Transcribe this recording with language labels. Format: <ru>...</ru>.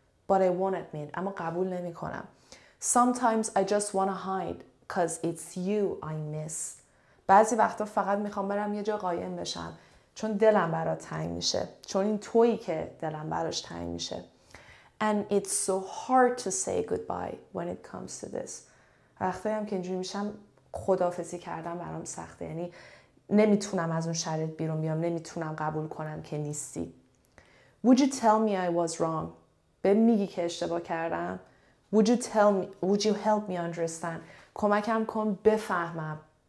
<en>But I won't admit.</en> <fa>اما قبول نمی کنم.</fa> <en>Sometimes I just want to hide, because it's you I miss.</en> <fa>بعضی وقتا فقط میخوام برم یه جا قایم بشم. چون دلم برا تنگ میشه. چون این تویی که دلم براش تنگ میشه.</fa> <en>And it's so hard to say goodbye when it comes to this.</en> <fa>وقتی هم که اینجوری میشم خدافزی کردم برام سخته. یعنی نمیتونم از اون شرط بیرون بیام. نمیتونم قبول کنم که نیستی.</fa> <en>Would you tell me I was wrong?</en> <fa>به میگی که اشتباه کردم.</fa> <en>Would you help me understand?</en> <fa>کمکم کن بفهمم.</fa>